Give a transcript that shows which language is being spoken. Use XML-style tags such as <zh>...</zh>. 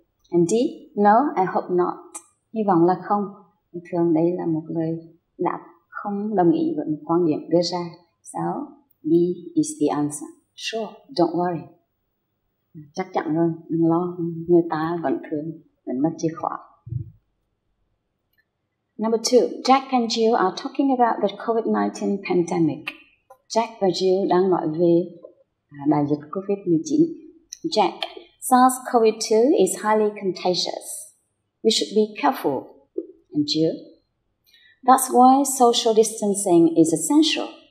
<en>And D, no, I hope not.</en> <vi>Hy vọng là không. Thường đây là một lời đáp không đồng ý với một quan điểm đưa ra.</vi> <en>So, Me is the answer. Sure. Don't worry.</en> <vi>Chắc chắn rồi, đừng lo, người ta vẫn thương, vẫn mất chìa khóa.</vi> <en>Number two, Jack and Jill are talking about the COVID-19 pandemic.</en> <vi>Jack và Jill đang nói về đại dịch COVID-19.</vi> <en>Jack, SARS-CoV-2 is highly contagious. We should be careful. And Jill, that's why social distancing is essential.</en>